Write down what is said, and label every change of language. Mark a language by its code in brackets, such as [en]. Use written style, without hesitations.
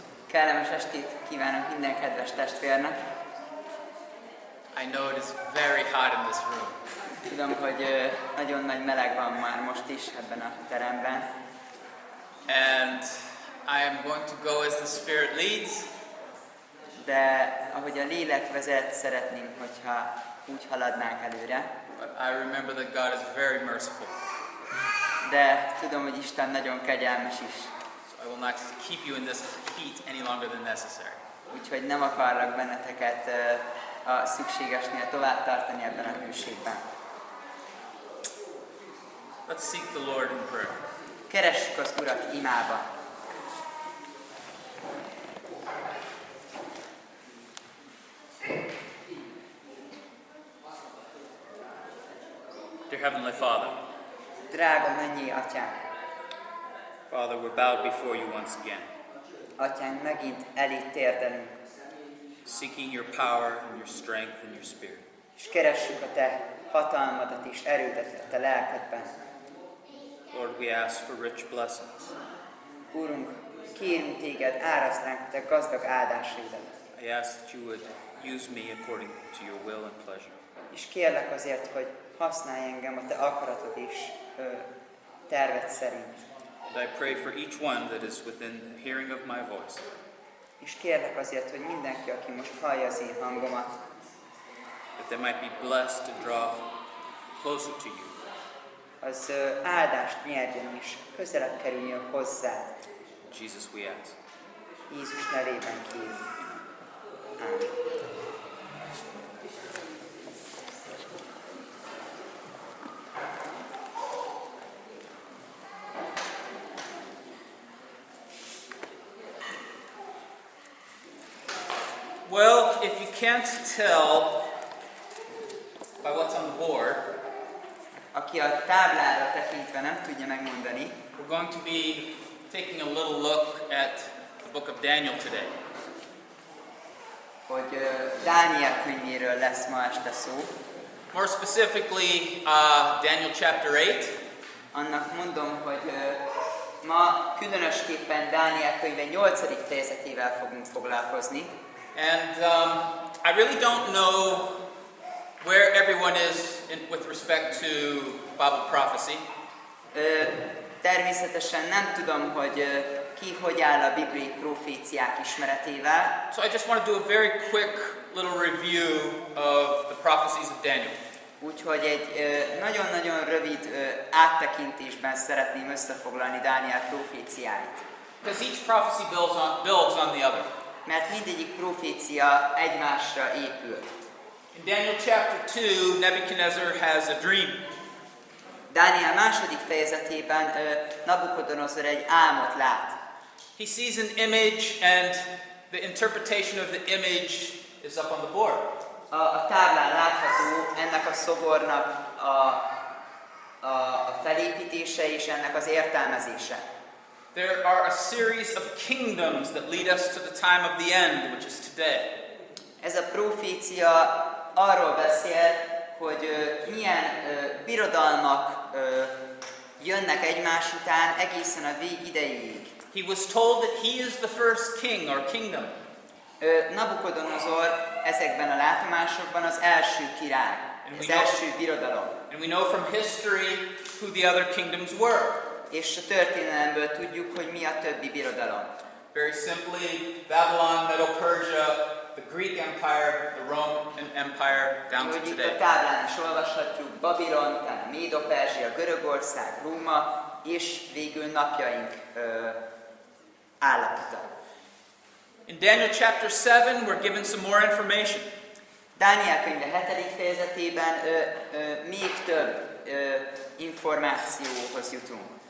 [hu] Kellemes estét kívánok minden kedves testvérnek. [en] I know it is very hot in this room. [hu] Tudom, hogy nagyon nagy meleg van már most is ebben a teremben. [en] And I am going to go as the Spirit leads. [hu] De ahogy a lélek vezet, szeretném, hogyha úgy haladnánk előre. [en] But I remember that God is very merciful. [hu] De tudom, hogy Isten nagyon kegyelmes is. [en] I will not keep you in this heat any longer than necessary. [hu] Úgyhogy nem akarlak benneteket a szükségesnél tovább tartani ebben a hűségben. [en] Let's seek the Lord in prayer. [hu] Keressük az Urat imába. [en] Dear Heavenly Father. [hu] Drága mennyi Atyám. [en] Father, we're bowed before you once again. [hu] Atyánk, megint elé térdelünk. [en] Seeking your power and your strength and your spirit. [hu] És keressük a te hatalmadat és erődet a te lelkedben. [en] Lord, we ask for rich blessings. [hu] Úrunk, kérünk téged, árasz ránk a te gazdag áldásaidat. [en] I ask that you would use me according to your will and pleasure. [hu] És kérlek azért, hogy használj engem a te akaratod és terved szerint. [en] And I pray for each one that is within the hearing of my voice. [hu] És kérlek azért, hogy mindenki, aki most hallja az én hangomat, [en] that they might be blessed to draw closer to you. [hu] Az áldást nyerjen és közelebb kerüljön hozzád. [en] Jesus, we ask. [hu] Jézus nevében kérünk. Amen. [en] Well, if you can't tell by what's on the board, [hu] aki a táblára tekintve nem tudja megmondani, [en] we're going to be taking a little look at the book of Daniel today. [hu] Hogy Dániel könyvéről lesz ma este szó. [en] More specifically, Daniel chapter 8. [hu] Annak mondom, hogy ma különösképpen Dániel könyve 8. fejezetével fogunk foglalkozni. [en] And I really don't know where everyone is with respect to Bible prophecy. [hu] Természetesen nem tudom, hogy ki hogy áll a bibliai proféciák ismeretével. [en] So I just want to do a very quick little review of the prophecies of Daniel. [hu] Úgyhogy egy nagyon-nagyon rövid áttekintésben szeretném összefoglalni Dániel proféciáit. [en] Because each prophecy builds on the other. [hu] Mert mindegyik profécia egymásra épül. [en] In Daniel chapter 2, Nebuchadnezzar has a dream. [hu] Dániel második fejezetében Nabukodonoszor egy álmot lát. [en] He sees an image and the interpretation of the image is up on the board. [hu] A táblán látható ennek a szobornak a felépítése és ennek az értelmezése. [en] There are a series of kingdoms that lead us to the time of the end, which is today. [hu] Ez a profécia arról beszél, hogy milyen birodalmak jönnek egymás után egészen a vég idejéig. [en] He was told that he is the first king or kingdom. [hu] Nabukodonozor ezekben a látomásokban az első király, az első birodalom. [en] And we know from history who the other kingdoms were. [hu] És a történelemből tudjuk, hogy mi a többi birodalom. [en] Very simply, Babylon, Medo-Persia, the Greek Empire, the Roman Empire, down to today. [hu] A táblán is olvashatjuk, Babilon, tehát Medo-Persia, Görögország, Róma, és végül napjaink állapota. [en] In Daniel chapter 7, we're given some more information. [hu] Dániel könyve 7. fejezetében még több információhoz jutunk.